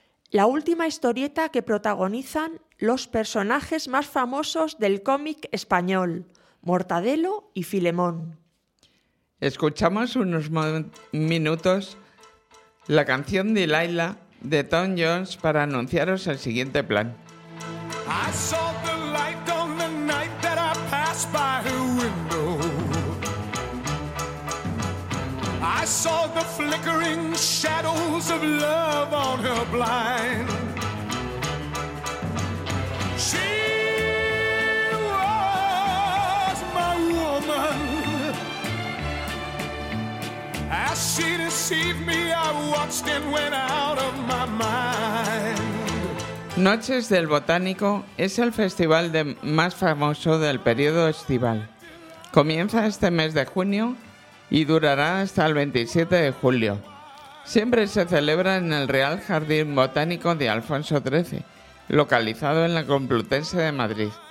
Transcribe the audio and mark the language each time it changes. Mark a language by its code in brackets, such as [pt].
[es] la última historieta que protagonizan los personajes más famosos del cómic español, Mortadelo y Filemón. Escuchamos unos minutos la canción de Laila de Tom Jones para anunciaros el siguiente plan. [en] I saw the light on the night that I passed by her window. I saw the flickering shadows of love on her blind. She was my woman. As she deceived me, I watched and went out of my mind. [es] Noches del Botánico es el festival más famoso del periodo estival. Comienza este mes de junio y durará hasta el 27 de julio. Siempre se celebra en el Real Jardín Botánico de Alfonso XIII, localizado en la Complutense de Madrid.